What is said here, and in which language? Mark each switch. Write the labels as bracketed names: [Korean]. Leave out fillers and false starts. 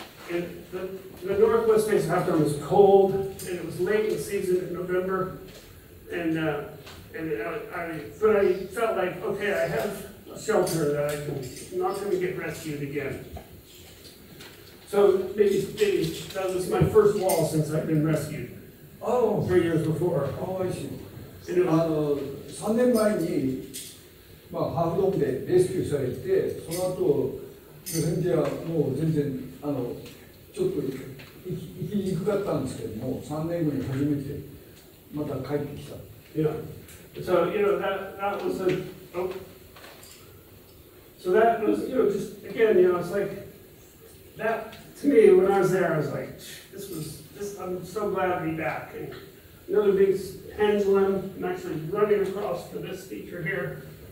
[English] And the northwest face of Haftom was cold, and it was late in the season in November. But I felt like, okay, I have a shelter that I'm not going to get rescued again. So maybe that was my first wall since I've been rescued. Oh, 3 years before. Oh, I see. [Japanese] あの3年前に、まあ、ハーフドームでレスキューされて、その後ルフェンジェはもう全然あのちょっと行きにくかったんですけども、3年後に初めてまた帰ってきた。 [English] Yeah. So, you know, that was a, so that was, you know, just again, you know, it's like that to me when I was there, I was like, this I'm so glad to be back. Another big pendulum. I'm actually running across for this feature here.